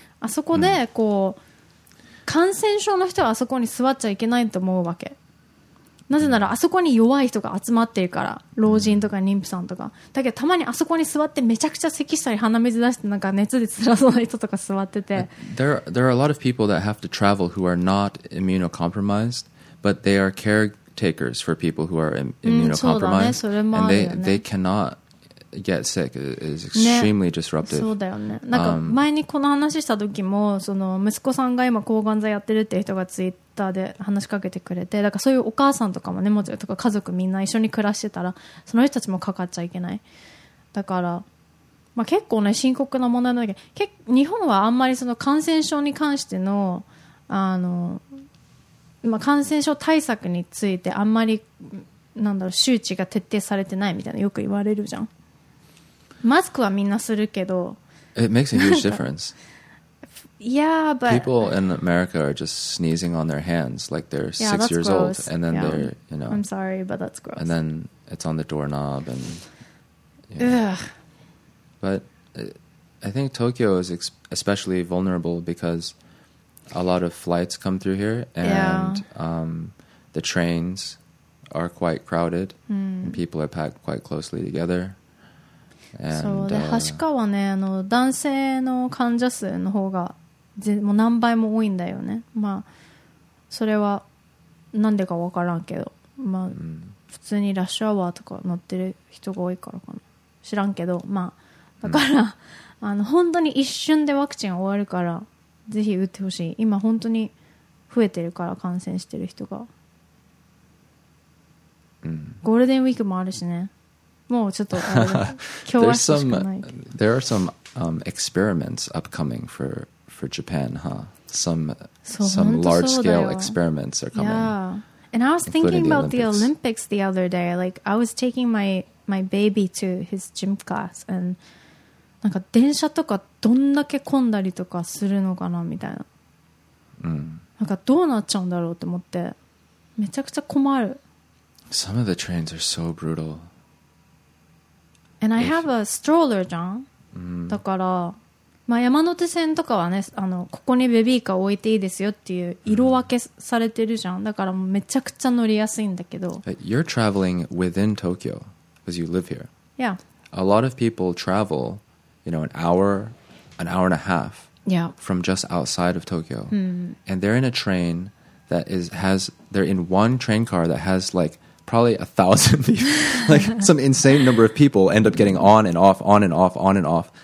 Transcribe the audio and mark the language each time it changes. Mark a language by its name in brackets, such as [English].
[Japanese] あそこでこう、mm. 感染症の人はあそこに座っちゃいけないと思うわけ。なぜならあそこに弱い人が集まってるから、老人とか妊婦さんとか。だけどたまにあそこに座ってめちゃくちゃ咳したり鼻水出してなんか熱で辛そうな人とか座ってて、 [English] there are a lot of people that have to travel who are not immunocompromised, but they are caretakers for people who are immunocompromised、 [Japanese] うん、そうだね、それもあるよ [English] ね。 And they cannotget sick is extremely disruptive、 [Japanese] ね、そうだよね。なんか前にこの話した時も、その息子さんが今抗がん剤やってるって人がツイッターで話しかけてくれて、だからそういうお母さんとかもね、もちろんとか家族みんな一緒に暮らしてたらその人たちもかかっちゃいけない。だから、まあ、結構ね深刻な問題なんだけど、日本はあんまりその感染症に関しての、 まあ、感染症対策についてあんまりなんだろう、周知が徹底されてないみたいな、よく言われるじゃん。マスクはみんなするけど、 [English] It makes a huge difference. Yeah, but people in America are just sneezing on their hands like they're six yeah, years、 gross. old, and then、 yeah. they're, you know. I'm sorry, but that's gross. And then it's on the doorknob, and yeah. But I think Tokyo is especially vulnerable because a lot of flights come through here, and、 yeah. The trains are quite crowded,、 mm. and people are packed quite closely together. [Japanese] そうで、はしかはね、あの男性の患者数の方がもう何倍も多いんだよね。まあそれはなんでか分からんけど、まあ、うん、普通にラッシュアワーとか乗ってる人が多いからかな、知らんけど、まあだから、うん、あの本当に一瞬でワクチン終わるから、ぜひ打ってほしい。今本当に増えてるから感染してる人が、うん、ゴールデンウィークもあるしね。もうちょっと今日はしかないけど。 [English] There are some experiments upcoming for Japan, huh? Some large scale experiments are coming. Yeah, and I was thinking about the Olympics the other day. Like I was taking my baby to his gym class, and [Japanese] なんか電車とかどんだけ混んだりとかするのかなみたいな。なんかどうなっちゃうんだろうって思って、めちゃくちゃ困る。 [English] Some of the trains are so brutal. And I have a stroller, [Japanese] じゃん。だから、まあ、山手線とかはね、あのここにベビーカー置いていいですよっていう色分けされてるじゃん。だからもうめちゃくちゃ乗りやすいんだけど。 [English] You're traveling within Tokyo, because you live here. Yeah. A lot of people travel, you know, an hour and a half. Yeah. From just outside of Tokyo, and they're in a train that they're in one train car that has like probably 1,000 people, like some insane number of people end up getting on and off, on and off, on and off.